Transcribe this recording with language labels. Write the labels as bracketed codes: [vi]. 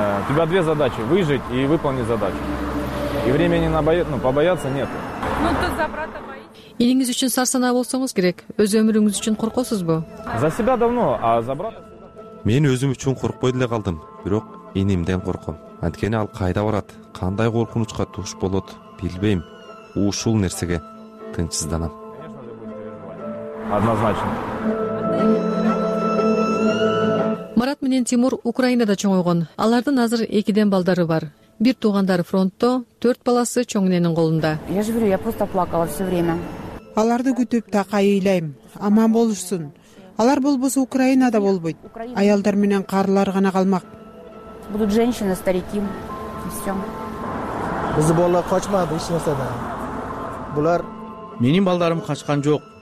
[ru] У тебя две задачи: выжить и выполнить задачу. И времени на побояться нет. Ну то забрата боится. [ky] Илиңиз үчүн сарсанаа болсоңуз керек. Өз өмүрүңүз үчүн коркосузбу? [ru] За себя давно, а за брата? [ky] Мен өзүм үчүн коркпой деле калдым, бирок инимден корком. Анткени ал кайда барат, кандай коркунучка туш болот, билбейм. Ушул нерсеге тынчсызданам. [ru] Однозначно. [ky] Марат менен Тимур Украинада чоңойгон. Алардын азыр 2 балдары бар. Бир туугандары фронтто, 4 баласы чоң эненин колунда. [ru] Я же говорю, я просто плакала всё время. [ky] Аларды күтүп так айылайм. Аман болушсун. Алар болбосо Украинада болбойт. Аялдар менен карылар гана калмак. [ru] Будут женщины, старики. И всё. [ky] Бизди балдар качмады эч нерседен. Булар менин балдарым качкан жок.